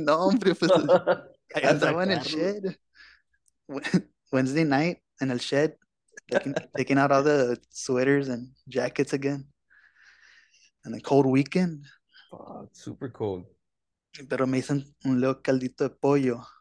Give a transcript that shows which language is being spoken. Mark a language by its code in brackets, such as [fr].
[es] No, hombre, pues, ahí andaba en el shed. [en] Wednesday night in the shed, taking out all the sweaters and jackets again. And a cold weekend. Oh, it's super cold. [es] Pero me hizo un leo caldito de pollo.